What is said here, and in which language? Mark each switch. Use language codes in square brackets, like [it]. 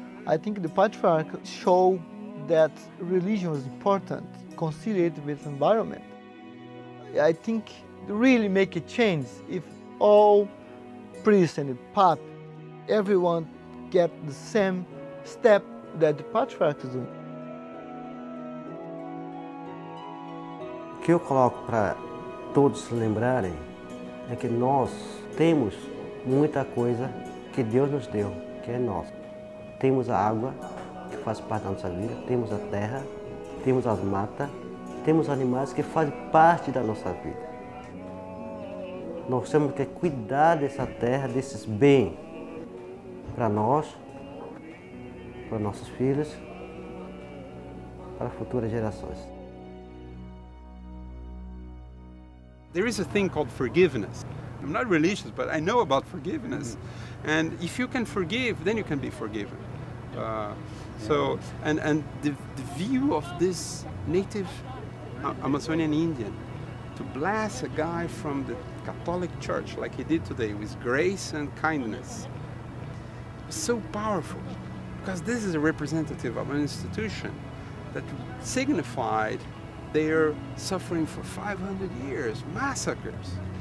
[en] I think the patriarch show that religion is important, conciliate with environment. I think really make a change if all priests and pope, everyone get the same step that the patriarch is doing. [pt] O que eu coloco para todos lembrarem é que nós temos muita coisa que Deus nos deu, que é nossa. Temos a água, que faz parte da nossa vida, temos a terra, temos as matas, temos animais que fazem parte da nossa vida. Nós temos que cuidar dessa terra, desses bens, para nós, para nossos filhos, para futuras gerações. [en] There is a thing called forgiveness. I'm not religious, but I know about forgiveness. Mm-hmm. And if you can forgive, then you can be forgiven. So the view of this native Amazonian Indian to blast a guy from the Catholic Church like he did today with grace and kindness is so powerful, because this is a representative of an institution that signified their suffering for 500 years, massacres.